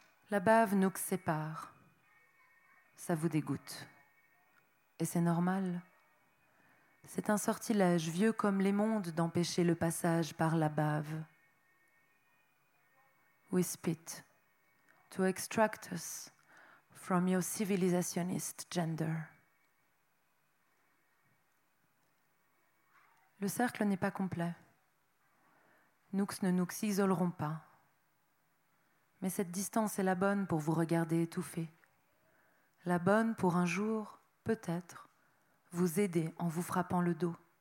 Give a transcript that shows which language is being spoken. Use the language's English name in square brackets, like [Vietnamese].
[French] La bave nous sépare. Ça vous dégoûte. Et c'est normal. C'est un sortilège vieux comme les mondes d'empêcher le passage par la bave. [English] We spit to extract us from your civilizationist gender. [French] Le cercle n'est pas complet. Nous ne nous isolerons pas. Mais cette distance est la bonne pour vous regarder étouffer. La bonne pour un jour, peut-être, vous aider en vous frappant le dos.